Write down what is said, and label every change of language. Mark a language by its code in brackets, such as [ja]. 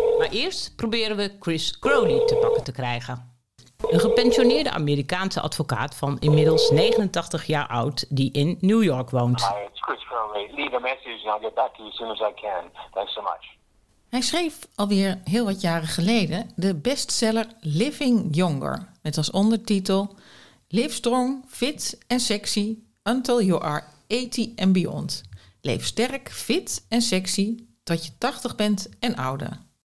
[nl] Eerst proberen we Chris Crowley te pakken te krijgen. Een gepensioneerde Amerikaanse advocaat van inmiddels 89 jaar oud die in New York woont. [en] Hi, it's Chris Crowley. Leave a message and I'll get back to you as soon as I can. Thanks so much. [nl] Hij schreef alweer heel wat jaren geleden de bestseller Living Younger. Met als ondertitel [en] Live strong, fit en sexy until you are 80 and beyond. [nl] Leef sterk, fit en sexy tot je 80 bent en ouder.